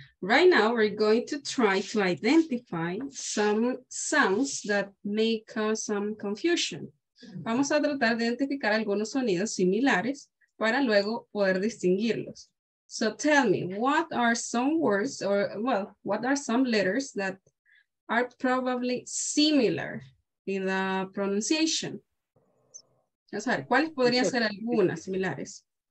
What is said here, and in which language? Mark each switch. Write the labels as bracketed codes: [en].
[en] Right now, we're going to try to identify some sounds that may cause some confusion. [es] Vamos a tratar de identificar algunos sonidos similares para luego poder distinguirlos. [en] So tell me, what are some words or, well, what are some letters that are probably similar in the pronunciation? [es] Vamos a ver, ¿cuáles podrían ser algunas similares?